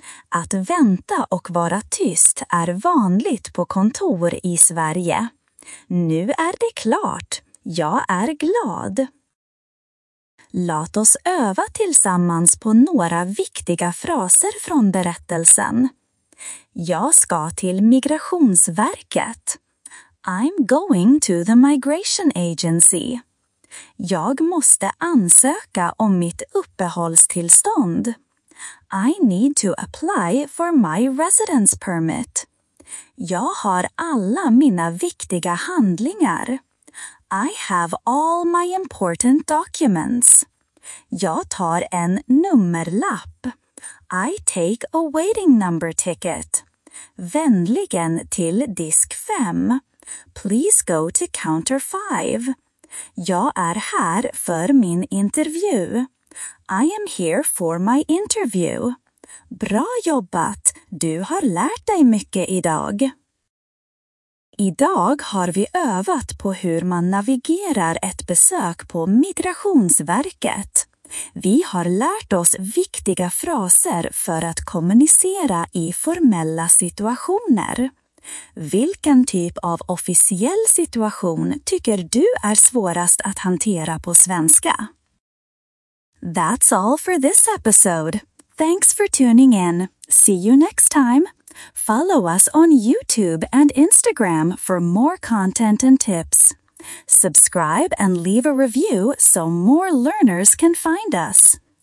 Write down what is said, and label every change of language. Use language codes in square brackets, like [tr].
[sv] Att vänta och vara tyst är vanligt på kontor i Sverige. Nu är det klart. Jag är glad. Låt oss öva tillsammans på några viktiga fraser från berättelsen. Jag ska till Migrationsverket. [en] I'm going to the Migration Agency. [sv] Jag måste ansöka om mitt uppehållstillstånd. [en] I need to apply for my residence permit. [sv] Jag har alla mina viktiga handlingar. [en] I have all my important documents. [sv] Jag tar en nummerlapp. [en] I take a waiting number ticket. [sv] Vänligen till disk 5. [en] Please go to counter 5. [sv] Jag är här för min intervju. [en] I am here for my interview. [sv] Bra jobbat! Du har lärt dig mycket idag. Idag har vi övat på hur man navigerar ett besök på Migrationsverket. Vi har lärt oss viktiga fraser för att kommunicera i formella situationer. Vilken typ av officiell situation tycker du är svårast att hantera på svenska? [en] That's all for this episode. Thanks for tuning in. See you next time. Follow us on YouTube and Instagram for more content and tips. Subscribe and leave a review so more learners can find us.